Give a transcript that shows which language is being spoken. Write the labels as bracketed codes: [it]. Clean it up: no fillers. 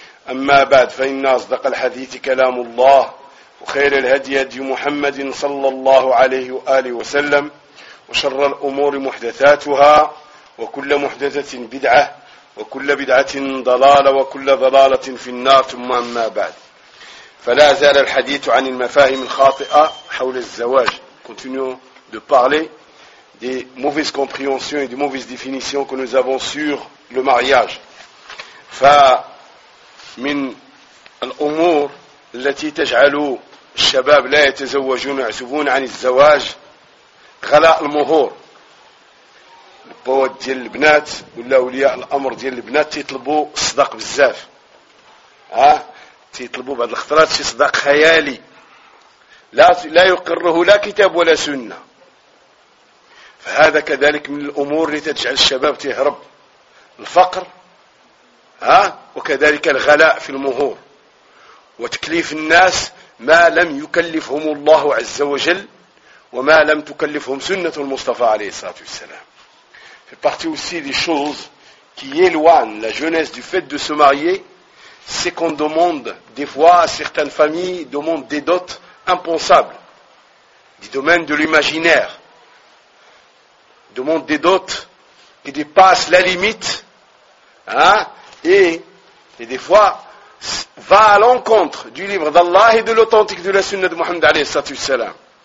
[ar] أما بعد، فإن أصدق الحديث كلام الله، وخير الهدي هدي محمد صلى الله عليه وآله وسلم، وشر الأمور محدثاتها، وكل محدثة بدعة، وكل بدعة ضلالة، وكل ضلالة في النار. ثم أما بعد، فلا زال الحديث عن المفاهيم الخاطئة حول الزواج. [fr] continue de parler des mauvaises compréhensions et des mauvaises définitions que nous avons sur le mariage. [ar] من الأمور التي تجعل الشباب لا يتزوجون ويعزبون عن الزواج غلاء المهور. البوات ديال البنات ولا أولياء الأمر ديال البنات تيطلبوا صداق بزاف، تيطلبوا بعض الخطرات شي صداق خيالي لا يقره لا كتاب ولا سنة. فهذا كذلك من الأمور التي تجعل الشباب تهرب الفقر، وكذلك الغلاء في المهور وتكليف الناس ما لم يكلفهم الله عز وجل وما لم تكلفهم سنة المصطفى عليه الصلاة والسلام. [fr] في partie aussi des choses qui éloignent la jeunesse du fait de se marier, c'est qu'on demande des fois à certaines familles demandent des dots impensables, des domaines de l'imaginaire, demandent des dots qui dépassent la limite, Et des fois, va à l'encontre du livre d'Allah et de l'authentique de la sunna de Muhammad alayhi sallallahu alayhi wa sallam.